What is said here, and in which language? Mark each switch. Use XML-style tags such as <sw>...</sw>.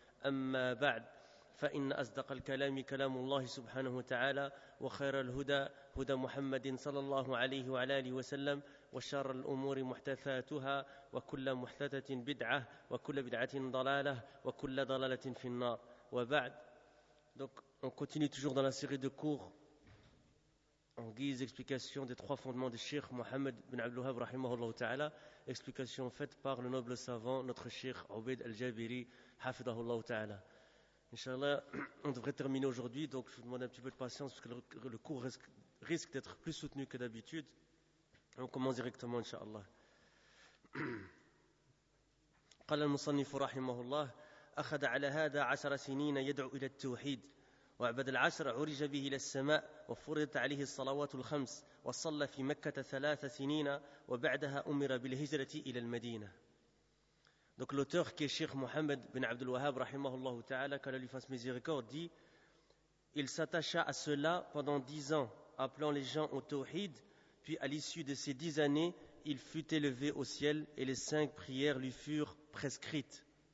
<ar>أما بعد، فإن أصدق الكلام كلام الله سبحانه وتعالى، وخير الهدى هدى محمد صلى الله عليه وعلى آله وسلم، وشر الأمور محدثاتها، وكل محدثة بدعة، وكل بدعة ضلالة، وكل ضلالة في النار. وبعد،</ar> <fr>donc on continue toujours dans la série de cours en guise d'explication des trois fondements de Sheikh Mohammed bin Abdul Wahhab rahimahullah ta'ala, explication faite par le noble savant, notre Sheikh Obaid al-Jabiri, hafidahullah ta'ala. Inch'Allah, on devrait terminer aujourd'hui, donc je vous demande un petit peu de patience, parce que le cours risque d'être plus soutenu que d'habitude. On commence directement, Inch'Allah.</fr> <ar>Qala al-musannifu rahimahullah, akhada ala hada 10 sinina yad'u ila al-tawhid. وعبد العشر عرج به إلى السماء وفرضت عليه الصلوات الخمس وصلى في مكة 3 سنين وبعدها أمر بالهجرة إلى المدينة.</ar> <fr>Donc l'auteur qui est Sheikh Mohammed bin Abdul Wahhab rahimahullah ta'ala, que Allah lui fasse miséricorde, dit: il s'attacha à cela pendant 10 ans, appelant les gens au tawhid, puis à l'issue de ces 10 années, il fut élevé au ciel et les 5 prières lui furent prescrites.</fr>